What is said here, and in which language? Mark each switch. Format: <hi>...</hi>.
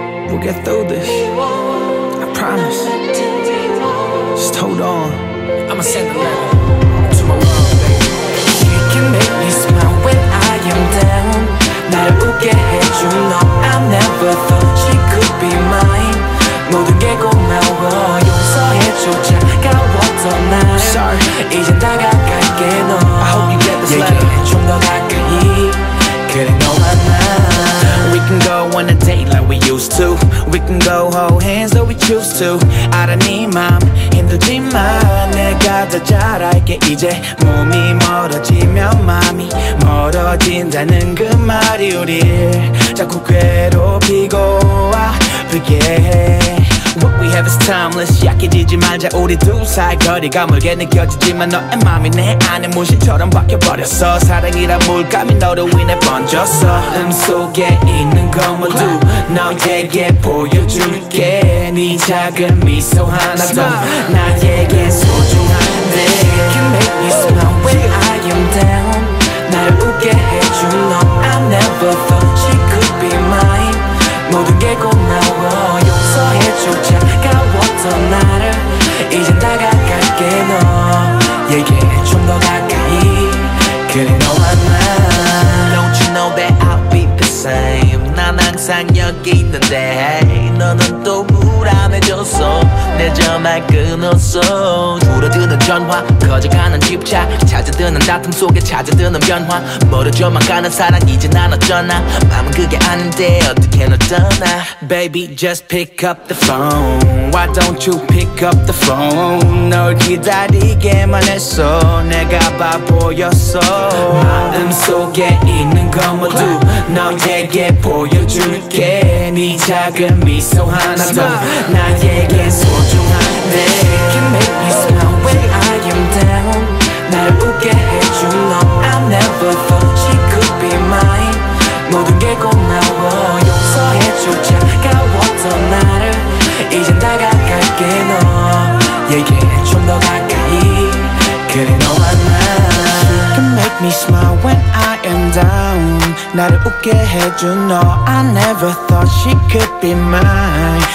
<en>We'll get through this, I promise. Just hold on, I'ma send a letter to my mom, baby. You can make me smile when I am down.</en> <ko>나를 웃게 해줘, 너.</ko> <en>I never thought she could be mine.</en> <ko>모든 게 고마워, 용서해줘, 차가웠던 날.</ko> <en>Sorry,</en> <ko>이제 다가갈게, 너.</ko> <en>I hope you get this letter. Yeah, yeah.</en> <ko>좀 더 가까이, 그래, 너와 나.</ko> <en>We can go on a date like we used to. We can go hold hands though we choose to. Out of me, mom,</en> <ko>힘들지만 내가 더 잘 알게 이제 몸이 멀어지면 마음이 멀어진다는 그 말이 우릴 자꾸 괴롭히고 아프게 해.</ko> <en>What we have is timeless.</en> <ko>약해지지 말자 우리 두 사이 거리가 멀게 느껴지지만 너의 마음이 내 안에 문신처럼 바뀌어버렸어. 사랑이란 물감이 너를 위해 번졌어. 음속에 있는 건 모두 너에게 보여줄게. 네 작은 미소 하나도 나에게 소중한데.</ko> <en>You can make me smile when I am down.</en> <ko>나를 웃게 해준 너.</ko> <en>I never thought she could be mine.</en> <ko>모든 게 고마워. 차가웠던 나를 이제 다가갈게 너에게 좀 더 가까이 그래 너와 나.</ko> <en>Don't you know that I'll be the same.</en> <ko>난 항상 여기 있는데 너는 또 불안해졌어. 내 전화 끊었어. 줄어드는 전화 커져가는 집착 찾아드는 다툼 속에 찾아드는 변화 멀어져만 가는 사랑 이제 난 어쩌나. 맘은 그게 아닌데 어떻게 널 떠나.</ko> <en>Baby just pick up the phone. Why don't you pick up the phone.</en> <ko>널 기다리게만 했어. 내가 바보였어. 마음 속에 있는 건 모두 너에게 보여줄게. 네 작은 미소 하나도 나에게 소중한데.</ko> <en>You can make me smile when I am down.</en> <ko>나를 웃게 해준 너.</ko> <en>I never thought she could be mine.</en> <ko>모든 게 고마워. 용서해줘 차가웠던 나를. 이젠 다가갈게 너에게 좀 더 가까이 그래 너와 나.</ko> <en>Make me smile when I am down.</en> <ko>나를 웃게 해준 너.</ko> <en>I never thought she could be mine.</en>